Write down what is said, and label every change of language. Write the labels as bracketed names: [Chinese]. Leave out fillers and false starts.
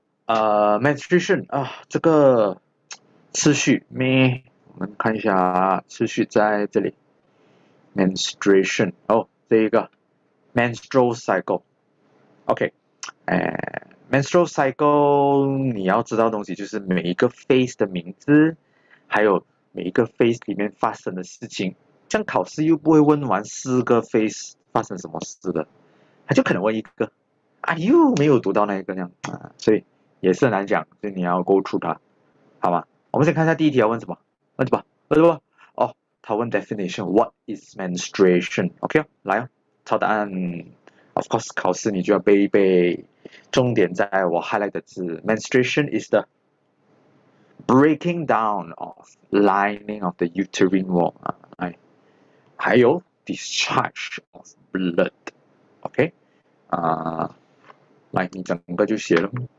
[Chinese] menstruation 这个次序咩？我们看一下次序在这里。 menstruation 哦，这一个 menstrual cycle。 OK，menstrual cycle 你要知道的东西就是每一个 phase 的名字，还有每一个 phase 里面发生的事情。这样考试又不会问完四个 phase 发生什么事的，他就可能问一个，啊，又没有读到那一个那样啊，所以。也是很难讲，所以你要 go through 它，好吗？我们先看一下第一题要问什么，问什么，问什么？哦，他问 definition， [English] what is menstruation？ [Chinese] OK，来哦，抄答案。 Of course，考试你就要背一背。重点在我 [English] highlight [Chinese] 的字， [English] menstruation is the breaking down of lining of the uterine wall [Chinese] 啊，还有 [English] discharge of blood，OK，来， [Chinese] 你整个就写了。